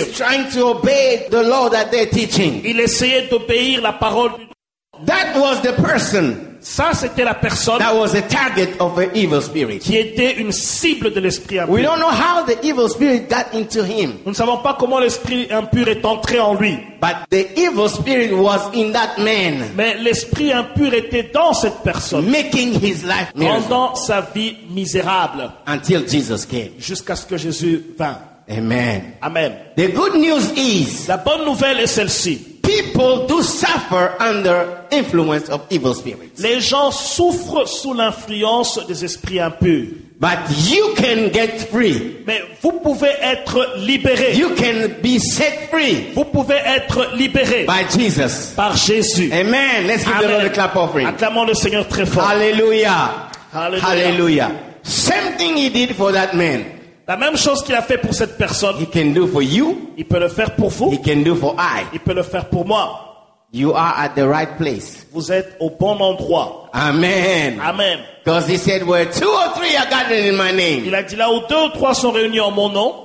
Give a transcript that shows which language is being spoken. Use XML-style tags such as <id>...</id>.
<en>He's trying to obey the law that they're teaching.</en> <fr>Il essayait d'obéir la parole.</fr> <en>That was the person.</en> <fr>Ça, c'était la personne</fr> <en>that was a target of an evil spirit.</en> <fr>Qui était une cible de l'esprit impur.</fr> <en>We don't know how the evil spirit got into him.</en> <fr>Nous ne savons pas comment l'esprit impur est entré en lui.</fr> <en>But the evil spirit was in that man.</en> <fr>Mais l'esprit impur était dans cette personne.</fr> <en>Making his life</en> <fr>miserable. Rendant sa vie misérable.</fr> <en>Until Jesus came.</en> <fr>Jusqu'à ce que Jésus vint. Amen. Amen.</fr> <en>The good news is.</en> <fr>La bonne nouvelle est celle-ci.</fr> <en>People do suffer under influence of evil spirits.</en> <fr>Les gens souffrent sous l'influence des esprits impurs.</fr> <en>But you can get free.</en> <fr>Mais vous pouvez être libéré.</fr> <en>You can be set free.</en> <fr>Vous pouvez être libéré.</fr> <en>By Jesus.</en> <fr>Par Jésus.</fr> <en>Amen. Let's give the Lord a clap offering.</en> <fr>Acclamons le Seigneur très fort. Hallelujah. Hallelujah.</fr> <en>Hallelujah. Same thing he did for that man.</en> <fr>La même chose qu'il a fait pour cette personne.</fr> <en>He can do for you.</en> <fr>Il peut le faire pour vous.</fr> <en>He can do for I.</en> <fr>Il peut le faire pour moi.</fr> <en>You are at the right place.</en> <fr>Vous êtes au bon endroit. Amen. Amen.</fr> <en>Because he said, where two or three are gathered in my name.</en> <fr>Il a dit là où deux ou trois sont réunis en mon nom.</fr>